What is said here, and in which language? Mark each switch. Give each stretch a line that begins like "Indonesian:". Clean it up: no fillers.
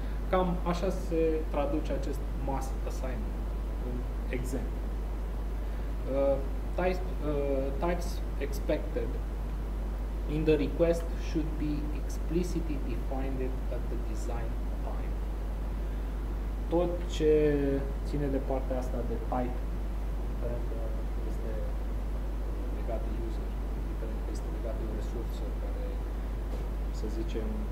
Romanian: Cam așa se traduce acest mass assignment în exemplu.
English: Types expected in the request should be explicitly defined at the design.
Romanian: Tot ce ține de partea asta de type, indiferent că este legat de user, indiferent că este legat de o resursă care, să zicem,